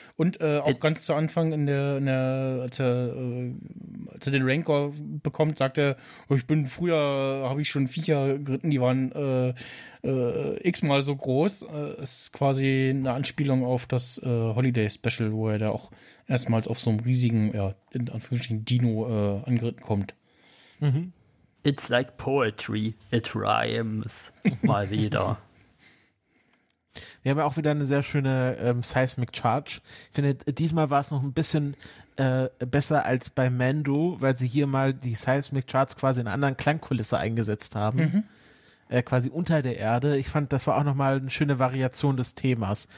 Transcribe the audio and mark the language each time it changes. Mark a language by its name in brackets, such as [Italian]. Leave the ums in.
[German] Und äh, auch ganz zu Anfang, in der, in der, als, er, äh, als er den Rancor bekommt, sagt er, "Oh, ich bin früher, habe ich schon Viecher geritten, die waren äh, äh, x-mal so groß. Äh, es ist quasi eine Anspielung auf das äh, Holiday Special, wo er da auch erstmals auf so einem riesigen, ja, in Anführungsstrichen Dino äh, angeritten kommt. [English] it's like poetry, it rhymes. [German] Mal wieder. Wir haben ja auch wieder eine sehr schöne ähm, Seismic Charge. Ich finde, diesmal war es noch ein bisschen äh, besser als bei Mando, weil sie hier mal die Seismic Charts quasi in einer anderen Klangkulisse eingesetzt haben. Äh, quasi unter der Erde. Ich fand, das war auch nochmal eine schöne Variation des Themas.